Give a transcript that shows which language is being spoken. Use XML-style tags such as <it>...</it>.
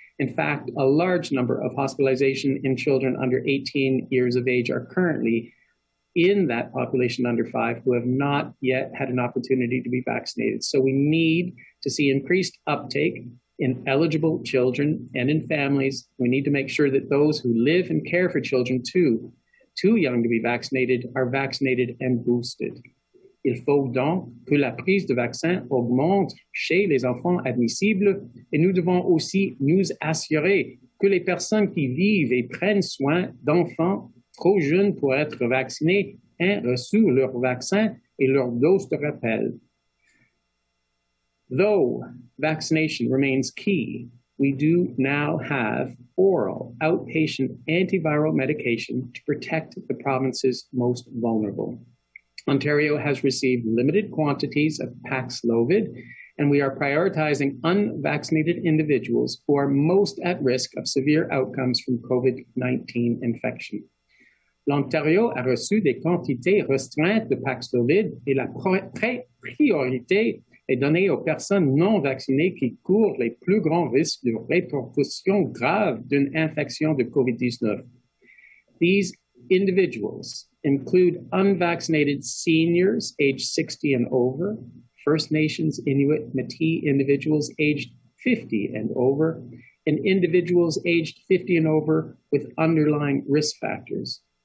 <en>In fact, a large number of hospitalizations in children under 18 years of age are currently in that population under 5 who have not yet had an opportunity to be vaccinated. So we need to see increased uptake in eligible children and in families. We need to make sure that those who live and care for children too young to be vaccinated are vaccinated and boosted.</en> <fr>Il faut donc que la prise de vaccin augmente chez les enfants admissibles et nous devons aussi nous assurer que les personnes qui vivent et prennent soin d'enfants trop jeunes pour être vaccinés aient reçu leur vaccin et leur dose de rappel.</fr> <en>Though vaccination remains key, we do now have oral outpatient antiviral medication to protect the province's most vulnerable. Ontario has received limited quantities of Paxlovid, and we are prioritizing unvaccinated individuals who are most at risk of severe outcomes from COVID-19 infection.</en> <fr>L'Ontario a reçu des quantités restreintes de Paxlovid et la priorité est donnée aux personnes non vaccinées qui courent les plus grands risques de répercussions graves d'une infection de COVID-19.</fr> <en>These individuals include unvaccinated seniors aged 60 and over, First Nations, Inuit, Métis individuals aged 50 and over, and individuals aged 50 and over with underlying risk factors.</en>